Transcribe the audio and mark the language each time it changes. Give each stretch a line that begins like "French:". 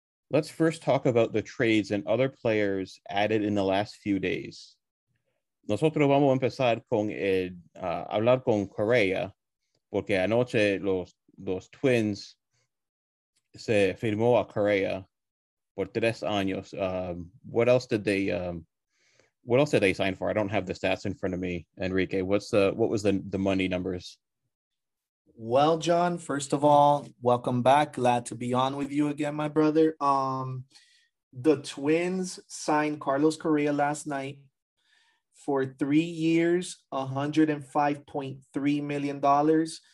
English: Let's first talk about the trades and other players added in the last few days.
Spanish: Nosotros vamos a empezar con el, hablar con Correa, porque anoche los Twins se firmó a Correa por 3 años.
English: What else did they sign for? I don't have the stats in front of me, Enrique. What was the money numbers? Well, John, first of all, welcome back. Glad to be on with you again, my brother. The Twins signed Carlos Correa last night for 3 years, $105.3 million.